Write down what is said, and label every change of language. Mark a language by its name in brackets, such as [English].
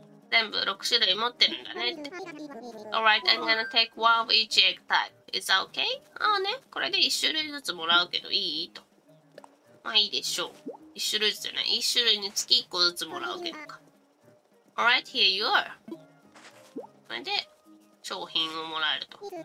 [Japanese] 全部6種類持ってるんだねって。 [English] Alright, I'm gonna take one of each egg type. Is that okay? [Japanese] ああね、これで1種類ずつもらうけどいいと。まあいいでしょう。1種類ずつじゃない。 1種類につき1個ずつもらうけどか。 [English] Alright, here you are. [Japanese] これで商品をもらえると。